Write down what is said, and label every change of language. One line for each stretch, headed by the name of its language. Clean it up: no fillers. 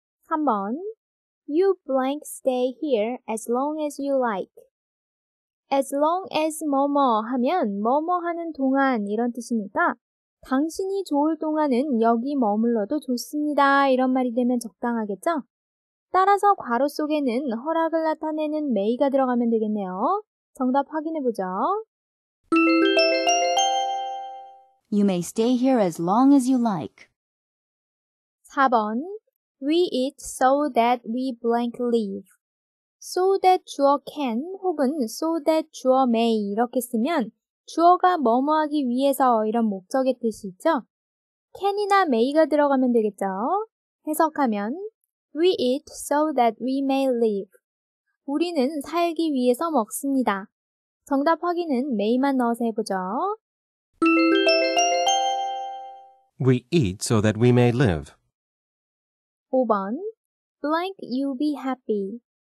English: 3번 You blank stay here as long as you like. As long as
Korean: 뭐뭐 하면 뭐뭐 하는 동안 이런 뜻이니까 당신이 좋을 동안은 여기 머물러도 좋습니다 이런 말이 되면 적당하겠죠? 따라서 괄호 속에는 허락을 나타내는 may가 들어가면 되겠네요. 정답 확인해보죠.
English: You may stay here as long as you like. 4번 We eat so that we blank leave. So that
Korean: 주어 can 혹은
English: so that
Korean: 주어 may 이렇게 쓰면 주어가 뭐뭐하기 위해서 이런 목적의 뜻이 있죠? can이나 may가 들어가면 되겠죠? 해석하면
English: We eat so that we may live.
Korean: 우리는 살기 위해서 먹습니다. 정답 확인은 may만 넣어서 해보죠.
English: We eat so that we may live. 5번 blank you be happy.